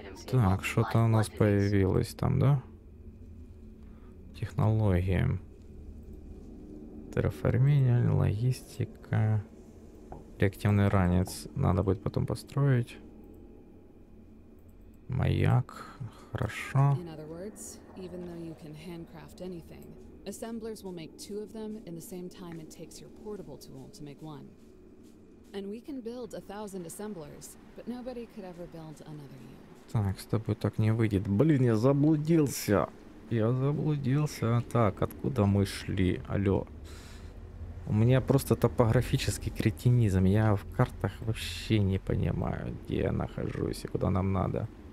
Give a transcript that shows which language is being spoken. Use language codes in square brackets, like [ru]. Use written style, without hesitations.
[ru] Так, что-то у нас появилось там, да? Технологии. Терраформирование, логистика. Реактивный ранец. Надо будет потом построить. Маяк. Хорошо. [en] In other words, even though you can handcraft anything, assemblers will make two of them in the same time it takes your portable tool to make one. And we can build 1,000 assemblers, but nobody could ever build another you. [ru] Так, с тобой так не выйдет. Блин, я заблудился. Я заблудился. Так, откуда мы шли? Алло. У меня просто топографический кретинизм. Я в картах вообще не понимаю, где я нахожусь и куда нам надо.